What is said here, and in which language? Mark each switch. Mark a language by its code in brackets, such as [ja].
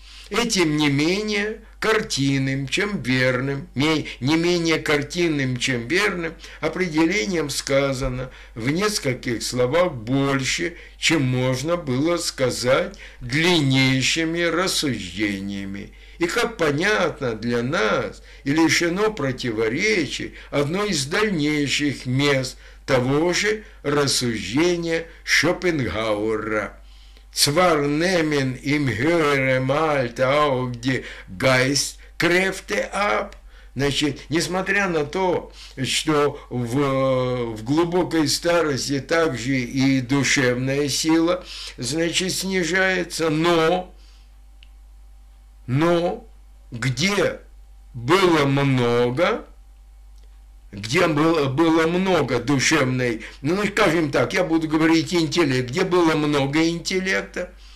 [ru] И тем не менее картинным, чем верным, не менее картинным, чем верным, определением сказано в нескольких словах больше, чем можно было сказать длиннейшими рассуждениями. И как понятно для нас, и лишено противоречий, одно из дальнейших мест того же рассуждения Шопенгауэра. [de] Zwar nehmen im höherem Alter auch die Geistkräfte ab. [ru] Значит, несмотря на то, что в глубокой старости также и душевная сила, значит, снижается, но где было много, где было много душевной, ну, скажем так, я буду говорить интеллект, где было много интеллекта,